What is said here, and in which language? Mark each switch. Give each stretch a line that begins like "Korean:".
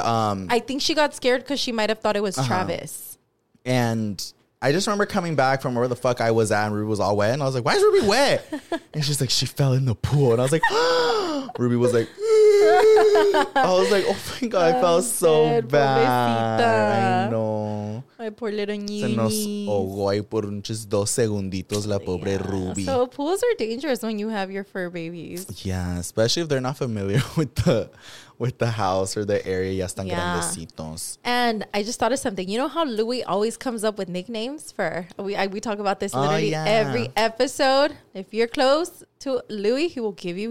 English: I think she got scared because she might have thought it was Travis. And I just remember coming back from where the fuck I was at, and Ruby was all wet, and I was like, why is Ruby wet? And she's like, she fell in the pool. And I was like, Ruby was like, I was like, oh my god, I felt so bad. I know. My poor little niece.
Spanish: Se nos ahogó ahí por unos dos segunditos la pobre Ruby.
English: So pools are dangerous when you have your fur babies. Yeah, especially if they're not familiar with the house or the area.
Spanish: Ya están grandecitos.
English: And I just thought of something. You know how Louis always comes up with nicknames for... We talk about this literally every episode. If you're close to Louis, he will give you...